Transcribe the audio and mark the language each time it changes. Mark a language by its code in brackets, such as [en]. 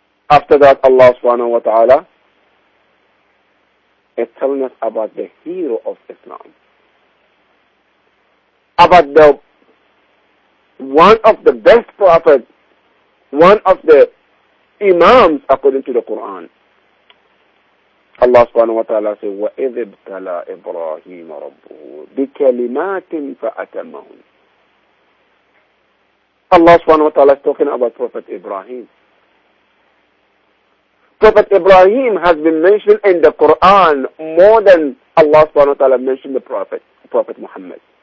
[en] After that, Allah subhanahu wa ta'ala is telling us about the hero of Islam. About the one of the best prophets, one of the imams according to the Quran. Allah subhanahu wa ta'ala says, [ar] وَإِذِ ابْتَلَى إِبْرَاهِيمَ رَبُّهُ بِكَلِمَاتٍ فَأَتَمَّهُمْ. [en] Allah subhanahu wa ta'ala is talking about Prophet Ibrahim. Prophet Ibrahim has been mentioned in the Quran more than Allah subhanahu wa ta'ala mentioned the Prophet Muhammad.